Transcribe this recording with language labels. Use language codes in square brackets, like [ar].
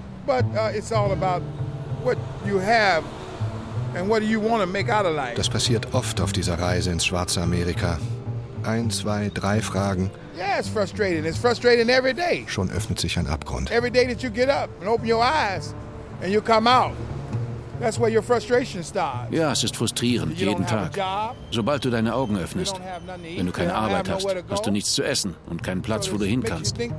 [en] But it's all about what you have and what you want to make out of life. [de] Das passiert oft auf dieser Reise ins schwarze Amerika. 1, 2, 3 Fragen. [en] Yeah, it's frustrating. It's frustrating every day. [de] Schon öffnet sich ein Abgrund. [en] Every day that you get up and open your eyes and you come out. That's where your frustration starts. [de] Ja, es ist frustrierend, jeden Tag. Sobald du deine Augen öffnest, wenn du keine Arbeit hast, hast du nichts zu essen und keinen Platz, wo du hin kannst.